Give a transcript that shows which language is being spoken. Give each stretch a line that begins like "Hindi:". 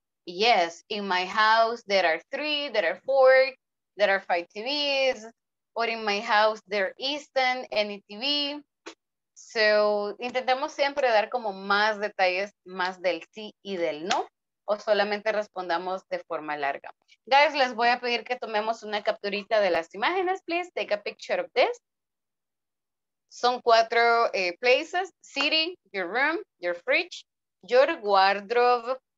English: Yes, in my house, there are 3, there are 4, there are 5 TVs, or in my house, there isn't any TV.
Spanish: So, intentemos siempre dar como más detalles, más del sí y del no, o solamente respondamos de forma larga. Guys, les voy a pedir que tomemos una capturita de las imágenes, please.
English: Take a picture of this.
Spanish: Son
English: 4 places, city, your room, your fridge, your wardrobe.